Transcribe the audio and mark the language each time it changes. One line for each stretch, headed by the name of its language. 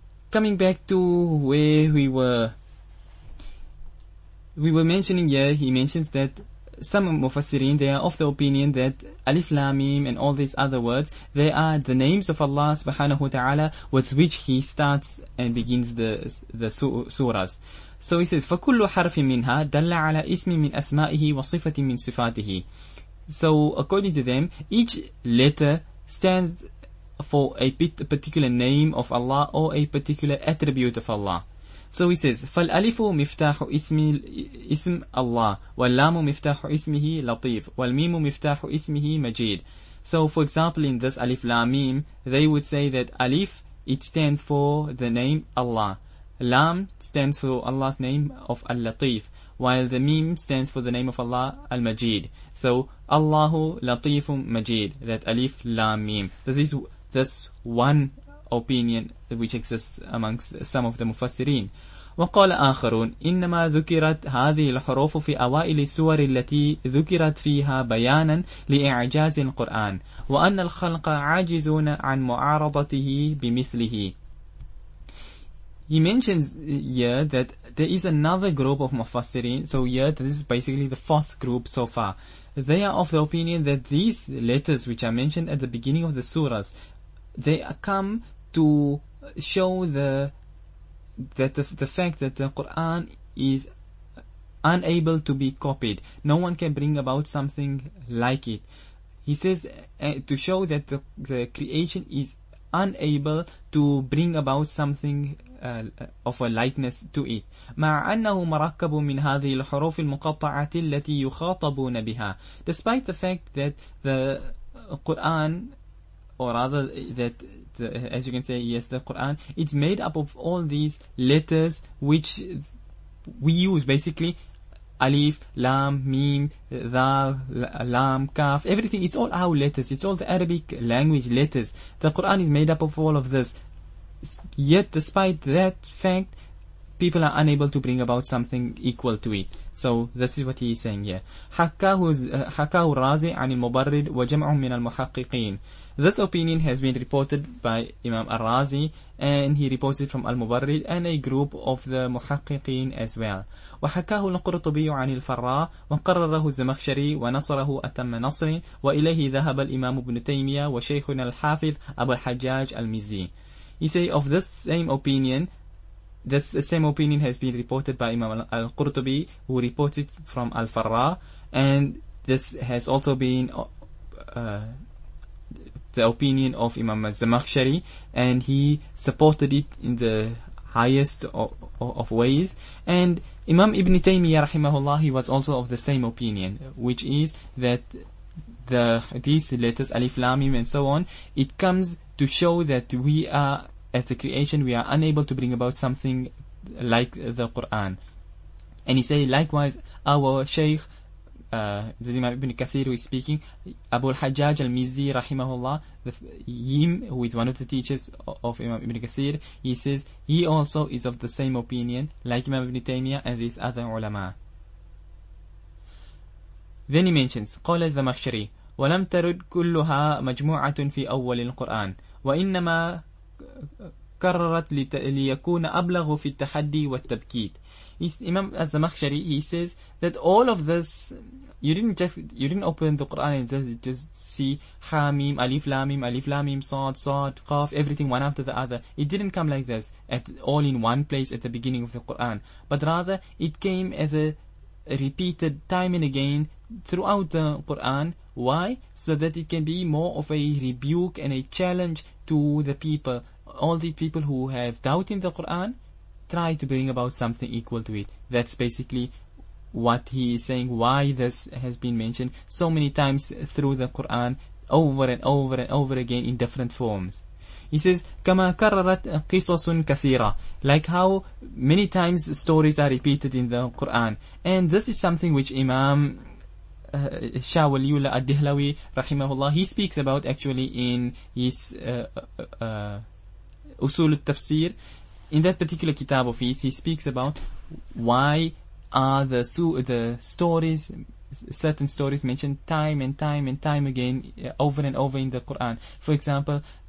English: Coming back to where we were mentioning here, he mentions that some Mufassirin, they are of the opinion that Alif Lam Mim and all these other words, they are the names of Allah subhanahu wa ta'ala with which He starts and begins the surahs. So he says,
Arabic: فَكُلُّ حَرْفٍ مِّنْهَا دَلَّ عَلَىٰ إِسْمٍ مِّنْ أَسْمَائِهِ وَصِفَةٍ مِّنْ صِفَاتِهِ.
English: So according to them, each letter stands for a particular name of Allah or a particular attribute of Allah. So he says,
Arabic: فَالْأَلِفُ مِفْتَاحُ إِسْمِ اللَّهِ وَاللَّامُ مِفْتَاحُ إِسْمِهِ لَطِيفٌ وَالْمِيمُ مِفْتَاحُ إِسْمِهِ مَجِيدٌ.
English: So for example, in this Alif Lam Mim, they would say that Alif, it stands for the name Allah. Lam stands for Allah's name of Al-Latif, while the Mim stands for the name of Allah, Al-Majid. So, Allahu Latifun Majid, that Alif Lam Mim. This is one opinion which exists amongst some of the Mufassirin.
Arabic: وقال آخرون إنما ذكرت هذه الحروف في أوائل السور التي ذكرت فيها بيانا لإعجاز القرآن وأن الخلق عاجزون عن معارضته بمثله.
English: He mentions here that there is another group of Mufassirin. So here, this is basically the fourth group so far. They are of the opinion that these letters which are mentioned at the beginning of the surahs, they come to show the fact that the Quran is unable to be copied. No one can bring about something like it. He says to show that the creation is unable to bring about something of a likeness to it.
Arabic: مع أنه مركب من هذه الحروف المقطعة التي يخاطبون بها.
English: Despite the fact that the Quran, or rather that as you can say, yes, the Quran, it's made up of all these letters which we use, basically Alif, Lam, Mim, Dal, Lam, Kaf, everything, it's all our letters, it's all the Arabic language letters. The Quran is made up of all of this. Yet, despite that fact, people are unable to bring about something equal to it. So this is what he is saying here.
Arabic: حكاه الرازي عن المبرد وجمع من المحققين.
English: This opinion has been reported by Imam al-Razi, and he reports it from al-Mubarrid and a group of the muhaqqiqin as well.
Arabic: وحكاه القرطبي عن الفراء وقرره الزمخشري ونصره أتم نصر وإليه ذهب الإمام ابن تيمية وشيخنا الحافظ أبو الحجاج المزي.
English: He say of this same opinion, this same opinion has been reported by Imam al-Qurtubi, who reports it from al-Farra, and this has also been the opinion of Imam al-Zamakhshari, and he supported it in the highest of ways. And Imam Ibn Taymiyyah rahimahullah, he was also of the same opinion, which is that these letters, Alif Lam Mim and so on, it comes to show that we are, as the creation, we are unable to bring about something like the Quran. And he say, likewise, our Shaykh, the Imam Ibn Kathir, who is speaking, Abu al-Hajjaj al-Mizzi, rahimahullah, who is one of the teachers of Imam Ibn Kathir, he says, he also is of the same opinion, like Imam Ibn Taymiyyah and these other ulama. Then he mentions,
Arabic: قال الزمخشري, ولم ترد كلها مجموعة في أول القرآن, وإنما كررت ليكون أبلغ في التحدي والتبكيت.
English: Imam al-Zamakhshari, he says that all of this, you didn't open the Quran and just see Hamim, Alif Lamim, Alif Lamim, Sad, Sad, Qaf, everything one after the other. It didn't come like this at all in one place at the beginning of the Quran, but rather it came as a repeated time and again throughout the Quran. Why? So that it can be more of a rebuke and a challenge to the people. All the people who have doubt in the Quran, try to bring about something equal to it. That's basically what he is saying, why this has been mentioned so many times through the Quran, over and over and over again in different forms. He says,
Arabic: كَمَا كَرَّرَتْ قِصَصٌ كَثِيرًا.
English: Like how many times stories are repeated in the Quran. And this is something which Imam Shah Waliullah Ad-Dihlawi rahimahullah, he speaks about actually in his Usul al-Tafsir. In that particular kitab of his, he speaks about why are certain stories mentioned time and time and time again, over and over in the Quran. For example,